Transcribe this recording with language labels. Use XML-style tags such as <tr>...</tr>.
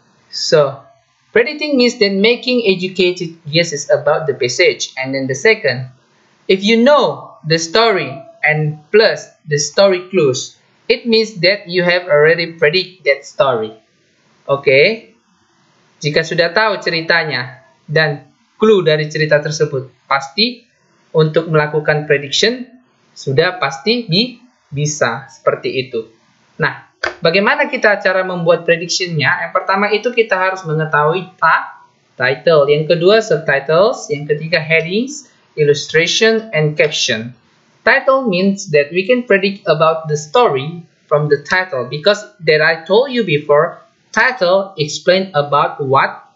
<en>So, predicting means then making educated guesses about the passage. And then the second, if you know the story and plus the story clues, it means that you have already predict that story. Okay?</en> <id>Jika sudah tahu ceritanya dan clue dari cerita tersebut, pasti untuk melakukan prediction, sudah pasti bisa seperti itu. Nah, bagaimana kita cara membuat prediction-nya? Yang pertama itu kita harus mengetahui title. Yang kedua,</id> <en>subtitles.</en> <id>Yang ketiga,</id> <en>headings, illustration, and caption. Title means that we can predict about the story from the title because that I told you before, title explain about what</en>